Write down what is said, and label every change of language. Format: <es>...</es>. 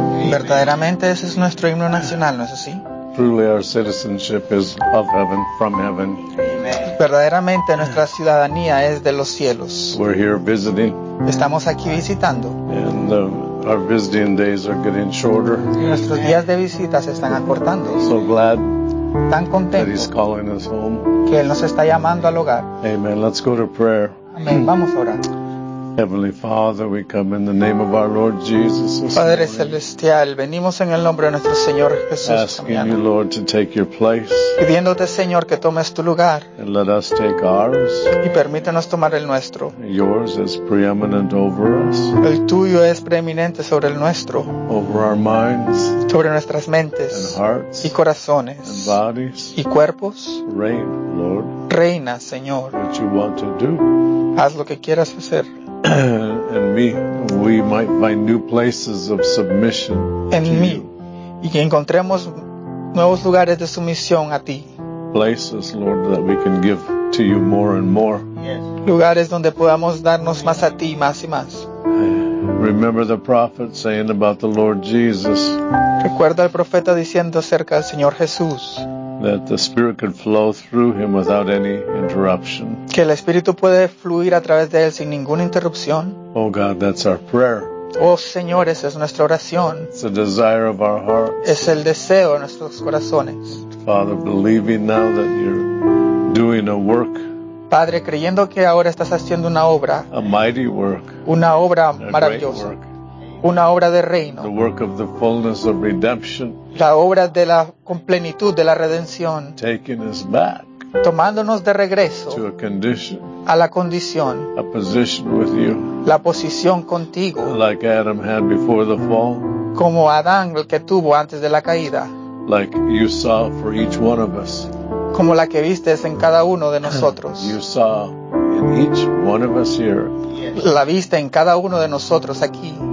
<es>Verdaderamente ese es nuestro himno nacional, ¿no es así?</es> <en>Truly our citizenship is of heaven, from heaven.</en> <es>Verdaderamente nuestra ciudadanía es de los cielos.</es> <en>We're here visiting.</en> <es>Estamos aquí visitando.</es> <en>And our visiting days are getting shorter.</en> <es>Y nuestros días de visita se están acortando.</es> <en>So glad.</en> <es>Tan contento.</es> <en>That he's calling us home.</en> <es>Que él nos está llamando al hogar.</es> <en>Amen. Let's go to prayer.</en> <es>Amén. Vamos a orar.</es> <en>Heavenly Father, we come in the name of our Lord Jesus.</en> <es>Padre celestial, venimos en el nombre de nuestro Señor Jesús.</es> <en>Asking you, Lord, to take your place.</en> <es>Pidiéndote, Señor, que tomes tu lugar.</es> <en>And let us take ours.</en> <es>Y permítenos tomar el nuestro.</es> <en>Yours is preeminent over us.</en> <es>El tuyo es preeminente sobre el nuestro.</es> <en>Over our minds.</en> <es>Sobre nuestras mentes.</es> <en>And hearts.</en> <es>Y corazones.</es> <en>And bodies.</en> <es>Y cuerpos.</es> <en>Reign, Lord.</en> <es>Reina, Señor.</es> <en>What you want to do.</en> <es>Haz lo que quieras hacer.</es> <en>And we might find new places of submission.</en> <es>En mí, y que encontremos nuevos lugares de sumisión a ti.</es> <en>Places, Lord, that we can give to you more and more.</en> <es>Lugares donde podamos darnos más a ti, más y más.</es> <en>Remember the prophet saying about the Lord Jesus.</en> <es>Recuerda al profeta diciendo acerca del Señor Jesús.</es> <en>That the Spirit could flow through him without any interruption.</en> <es>Que el Espíritu puede fluir a través de él sin ninguna interrupción.</es> <en>Oh God, that's our prayer.</en> <es>Oh Señor, esa es nuestra oración.</es> <en>It's the desire of our hearts.</en> <es>Es el deseo de nuestros corazones.</es> <en>Father, believing now that you're doing a work.</en> <es>Padre, creyendo que ahora estás haciendo una obra.</es> <en>A mighty work.</en> <es>Una obra maravillosa. Una obra de reino.</es> <en>The work of the fullness of redemption.</en> <es>La obra de la plenitud de la redención.</es> <en>Taking us back.</en> <es>Tomándonos de regreso.</es> <en>To a condition.</en> <es>A la condición.</es> <en>A position with you.</en> <es>La posición contigo.</es> <en>Like Adam had before the fall.</en> <es>Como Adán el que tuvo antes de la caída.</es> <en>Like you saw for each one of us.</en> <es>Como la que vistes en cada uno de nosotros.</es> <en>You saw in each one of us here.</en> <es>La viste en cada uno de nosotros aquí.</es>